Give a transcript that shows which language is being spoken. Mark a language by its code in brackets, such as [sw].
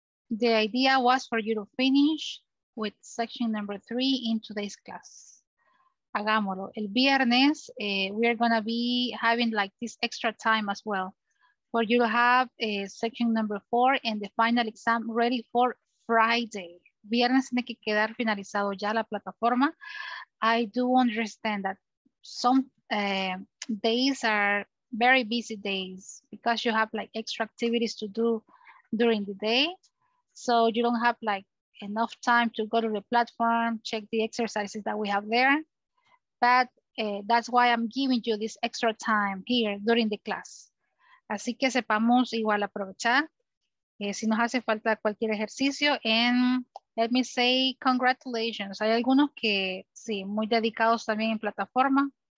[en] The idea was for you to finish with section number 3 in today's class. [es] Hagámoslo. El viernes, [en] we are going to be having like this extra time as well. For you to have section number 4 and the final exam ready for Friday. [es] Viernes tiene que quedar finalizado ya la plataforma. [en] I do understand that some days are very busy days because you have like extra activities to do during the day. So you don't have like enough time to go to the platform, check the exercises that we have there. But that's why I'm giving you this extra time here during the class. [es] Así que sepamos igual aprovechar si nos hace falta cualquier ejercicio. [en] And let me say congratulations. [es] Hay algunos que sí, muy dedicados también en plataforma.